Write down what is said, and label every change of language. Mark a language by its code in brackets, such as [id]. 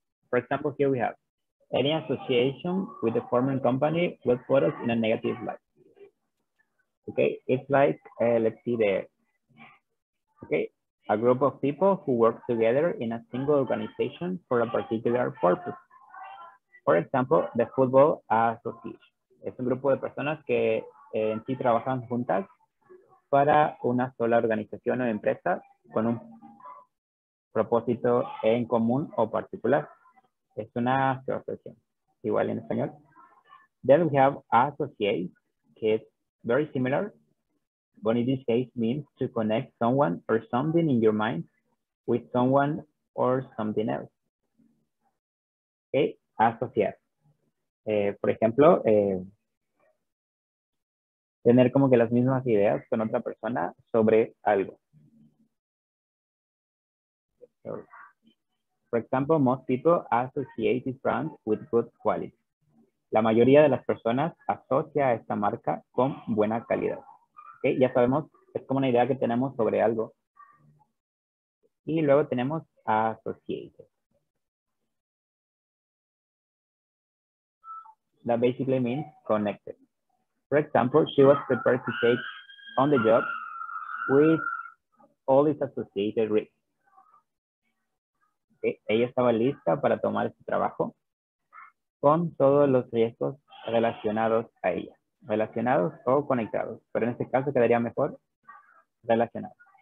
[en] For example, here we have any association with the former company will put us in a negative light. Okay, it's like let's see there. Okay. A group of people who work together in a single organization for a particular purpose. For example, the Football Association. [es] Es un grupo de personas que en sí trabajan juntas para una sola organización o empresa con un propósito en común o particular. Es una asociación. Igual en español. [en] Then we have associate, [es] que es [en] very similar. But in this case means to connect someone or something in your mind with someone or something else. [es] Okay, asociar. Por ejemplo, tener como que las mismas ideas con otra persona sobre algo. [en] For example, most people associate this brand with good quality. [es] La mayoría de las personas asocia a esta marca con buena calidad. Okay, ya sabemos, es como una idea que tenemos sobre algo. Y luego tenemos associated. [en] That basically means connected. For example, she was prepared to take on the job with all its associated risks. [es] Okay, ella estaba lista para tomar su trabajo con todos los riesgos relacionados a ella. Relacionados o conectados, pero en este caso quedaría mejor relacionados.